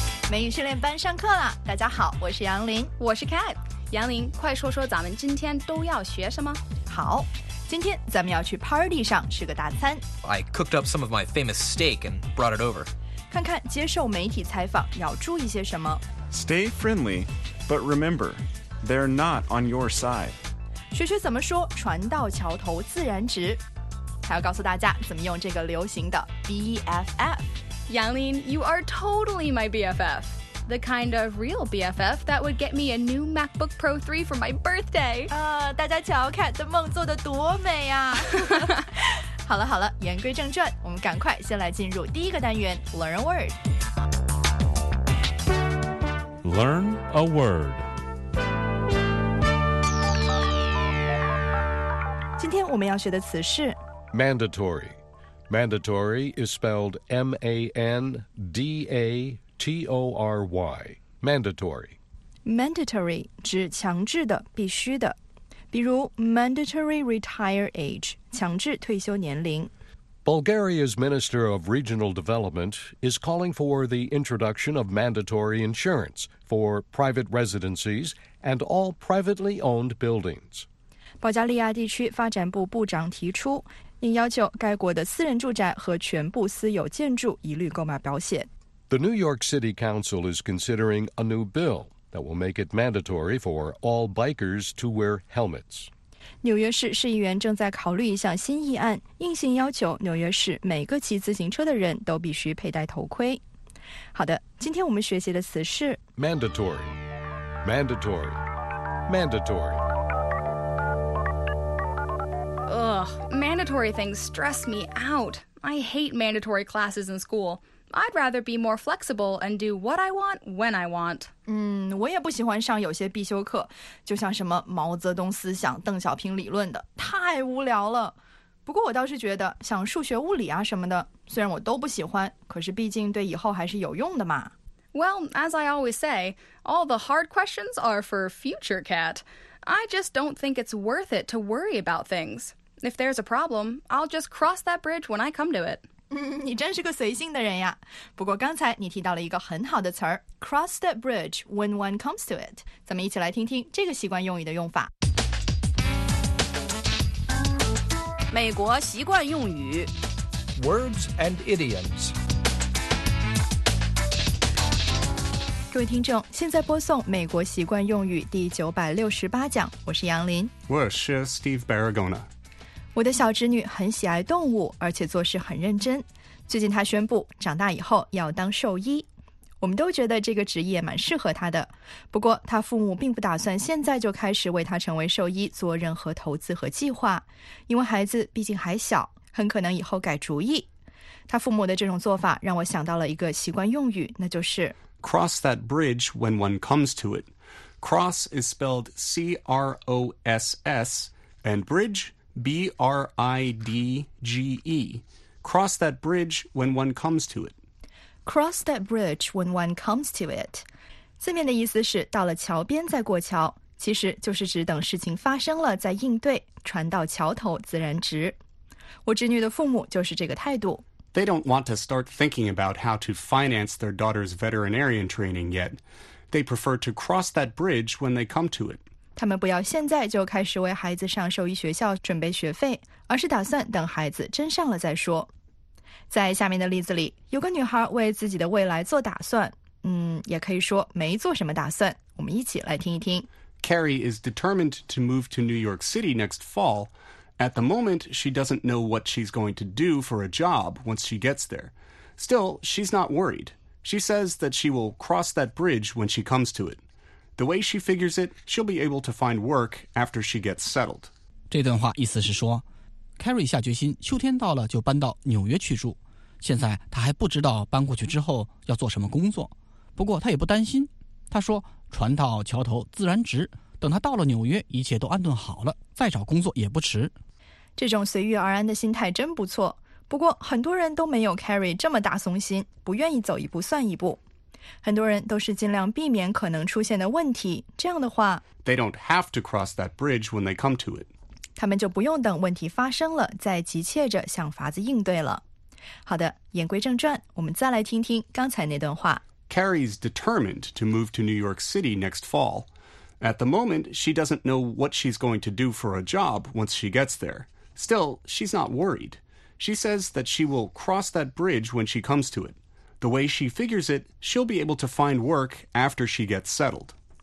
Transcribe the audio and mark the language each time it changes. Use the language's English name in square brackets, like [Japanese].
[Chinese] 美语训练班上课了，大家好，我是杨林，我是 Cat。杨林，快说说咱们今天都要学什么。好，今天咱们要去 party 上吃个大餐。 [English] I cooked up some of my famous steak and brought it over. [Chinese] 看看接受媒体采访要注意些什么。 [English] Stay friendly, but remember, they're not on your side. [Chinese] 学学怎么说船到桥头自然直，还要告诉大家怎么用这个流行的 BFF。 [English] Yanglin, you are totally my BFF. The kind of real BFF that would get me a new MacBook Pro 3 for my birthday. [Chinese] 大家瞧 Cat 的梦做得多美啊。好了好了，言归正传，我们赶快先来进入第一个单元 [English] Learn a Word. Learn a Word. [Chinese] 今天我们要学的词是 [English] Mandatory. Mandatory is spelled M-A-N-D-A-T-O-R-Y. Mandatory. [Chinese] Mandatory 指强制的、必须的。比如 [English] Mandatory retire age, [Chinese] 强制退休年龄。 [English] Bulgaria's Minister of Regional Development is calling for the introduction of mandatory insurance for private residences and all privately owned buildings. [Chinese] 保加利亚地区发展部部长提出并要求该国的私人住宅和全部私有建筑一律购买保险。 [English] The New York City Council is considering a new bill that will make it mandatory for all bikers to wear helmets. [Chinese] 纽约市市议员正在考虑一项新议案，硬性要求纽约市每个骑自行车的人都必须佩戴头盔。好的，今天我们学习的词是 [English] mandatory, mandatory, mandatory. Ugh, mandatory things stress me out. I hate mandatory classes in school. I'd rather be more flexible and do what I want when I want. [Chinese] 我也不喜欢上有些必修课，就像什么毛泽东思想、邓小平理论的，太无聊了。不过我倒是觉得，像数学、物理啊什么的，虽然我都不喜欢，可是毕竟对以后还是有用的嘛。 [English] Well, as I always say, all the hard questions are for future Cat. I just don't think it's worth it to worry about things. If there's a problem, I'll just cross that bridge when I come to it. [Chinese] 你真是个随性的人呀。不过刚才你提到了一个很好的词儿 [English] cross that bridge when one comes to it. [Chinese] 咱们一起来听听这个习惯用语的用法。美国习惯用语 [English] Words and idioms. [Chinese] 各位听众，现在播送美国习惯用语第968讲，我是杨林。我是 Steve Barragona。我的小侄女很喜爱动物，而且做事很认真。最近她宣布长大以后要当兽医，我们都觉得这个职业蛮适合她的。不过她父母并不打算现在就开始为她成为兽医做任何投资和计划，因为孩子毕竟还小，很可能以后改主意。她父母的这种做法让我想到了一个习惯用语，那就是 [English] Cross that bridge when one comes to it. Cross is spelled C-R-O-S-S and bridge B-R-I-D-G-E. Cross that bridge when one comes to it. Cross that bridge when one comes to it. [Chinese] 字面的意思是到了桥边再过桥，其实就是指等事情发生了再应对，船到桥头自然直。我侄女的父母就是这个态度。 [English] They don't want to start thinking about how to finance their daughter's veterinarian training yet. They prefer to cross that bridge when they come to it. [Chinese] 他们不要现在就开始为孩子上兽医学校准备学费，而是打算等孩子真上了再说。在下面的例子里，有个女孩为自己的未来做打算，也可以说没做什么打算。我们一起来听一听。 [English] Carrie is determined to move to New York City next fall. At the moment, she doesn't know what she's going to do for a job once she gets there. Still, she's not worried. She says that she will cross that bridge when she comes to it. The way she figures it, she'll be able to find work after she gets settled. [Chinese] 这段话意思是说 ,Carrie 下决心秋天到了就搬到纽约去住。现在她还不知道搬过去之后要做什么工作。不过她也不担心。她说船到桥头自然直。等他到了纽约，一切都安顿好了，再找工作也不迟。这种随遇而安的心态真不错。不过很多人都没有 Carrie 这么大松心，不愿意走一步算一步。很多人都是尽量避免可能出现的问题。这样的话 [English] ，They don't have to cross that bridge when they come to it。 [Chinese] 他们就不用等问题发生了，再急切着想法子应对了。好的，言归正传，我们再来听听刚才那段话。 [English] Carrie's determined to move to New York City next fall. At the moment, she doesn't know what she's going to do for a job once she gets there. Still, she's not worried. She says that she will cross that bridge when she comes to it. The way she figures it, she'll be able to find work after she gets settled.